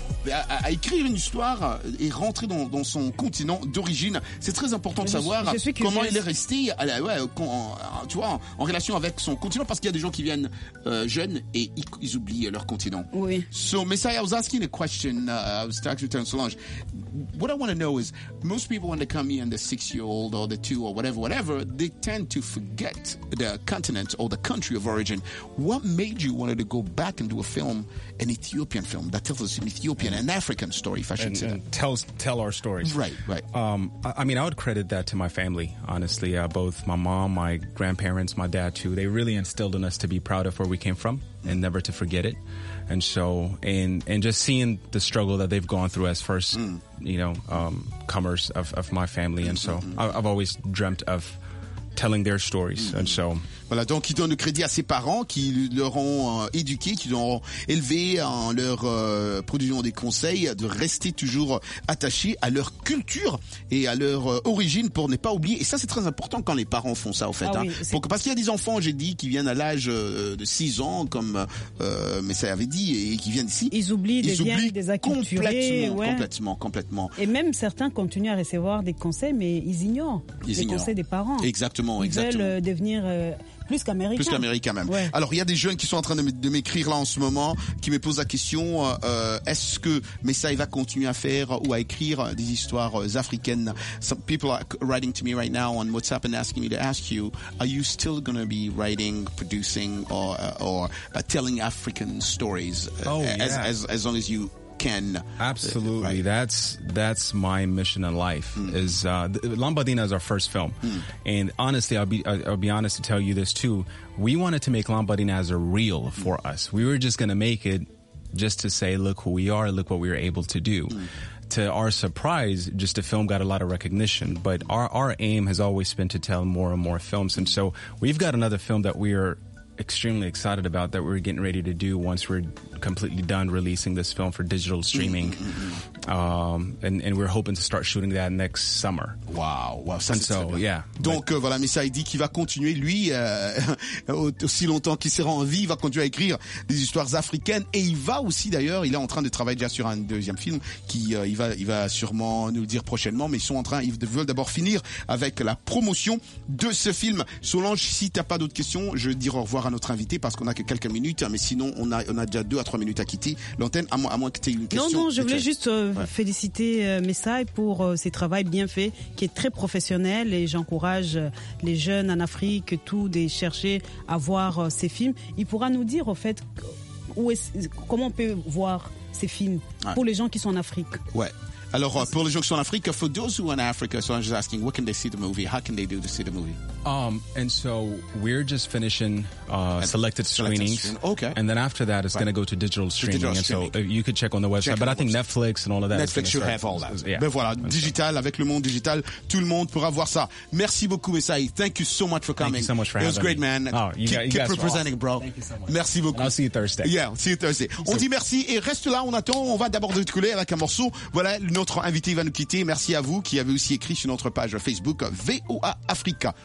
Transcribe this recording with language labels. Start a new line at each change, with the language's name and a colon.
French: à écrire une histoire et rentrer dans son continent d'origine. C'est très important de savoir comment il est resté en relation avec son continent, parce qu'il y a des gens qui viennent jeunes et ils oublient leur continent. Oui.
English: So, Messiah, I was asking a question. I was talking to Solange. What I want to know is, most people when they come here and they're 6 years old or they're 2 or whatever, they tend to forget the continent or the country of origin. What made you want to go back and do a film, an Ethiopian film, that tells us an Ethiopian and African story, if I should say that? Tell our stories. Right, right. I would credit that to my family, honestly. Both my mom, my grandparents, my dad too. They really instilled in us to be proud of where we came from and never to forget it. And so, and just seeing the struggle that they've gone through as first, comers of my family. And so, I've always dreamt of telling their stories. Mm-hmm. And so,
French: voilà, donc il donne le crédit à ses parents qui leur ont éduqué, qui l'ont élevé en leur produisant des conseils de rester toujours attaché à leur culture et à leur origine pour ne pas oublier. Et ça, c'est très important quand les parents font ça, au fait. Ah, hein. Oui, parce qu'il y a des enfants, j'ai dit, qui viennent à l'âge de 6 ans, comme Messiah avait dit, et qui viennent ici. Ils oublient des acculturés. Complètement. Et même certains continuent à recevoir des conseils, mais ils ignorent conseils des parents. Exactement. Ils veulent devenir... plus qu'américain. Plus qu'américain même. Ouais. Alors, il y a des jeunes qui sont en train de m'écrire là en ce moment, qui me posent la question, est-ce que Messiah va continuer à faire ou à écrire des histoires africaines?
English: Some people are writing to me right now on WhatsApp and asking me to ask you, are you still going to be writing, producing or telling African stories? As long as you can. Absolutely. Right. That's my mission in life. Lambadina is our first film. And honestly, I'll be honest to tell you this too. We wanted to make Lambadina as a reel for us. We were just going to make it just to say, look who we are, look what we were able to do. To our surprise, just the film got a lot of recognition. But our aim has always been to tell more and more films. And so we've got another film that we are extremely excited about that we're getting ready to do once we're completely done releasing this film for digital streaming. And we're hoping to start shooting that next summer.
French: Wow, ça
English: and
French: c'est
English: so,
French: très bien.
English: Yeah.
French: Donc voilà, Messiah dit qu'il va continuer, lui, aussi longtemps qu'il sera en vie, il va continuer à écrire des histoires africaines. Et il va aussi, d'ailleurs, il est en train de travailler déjà sur un deuxième film qui il va sûrement nous le dire prochainement. Mais ils veulent d'abord finir avec la promotion de ce film. Solange, si t'as pas d'autres questions, je dis au revoir à notre invité parce qu'on a que quelques minutes. Mais sinon, on a déjà 2 à 3 minutes à quitter l'antenne, à moins que t'aies une question. Non, je voulais juste féliciter Messiah pour ses travaux bien faits, qui est très professionnel, et j'encourage les jeunes en Afrique tout de chercher à voir ses films. Il pourra nous dire, au fait, comment on peut voir ses films pour les gens qui sont en Afrique. Ouais. Alors, pour les gens qui sont en Afrique,
English: for those who are in Africa, so I'm just asking, what can they see the movie? How can they do to see the movie? And so, we're just finishing selected screenings. Okay. And then after that, it's going to go to digital streaming. So, you could check on the website. But I think Netflix and all of that. Netflix should have all that. Yeah.
French: Ben voilà, digital, avec le monde digital, tout le monde pourra voir ça. Merci beaucoup,
English: Messiah. Thank you so much for coming. Thank you so much for having me. It was great, man. Oh, you guys keep representing, awesome. Bro. Thank you so much.
French: Merci beaucoup.
English: And I'll see you Thursday. Yeah, see you Thursday.
French: On dit merci et reste là, on attend. On va d'abord te couler avec un morceau. Voilà. Notre invité va nous quitter. Merci à vous qui avez aussi écrit sur notre page Facebook VOA Africa.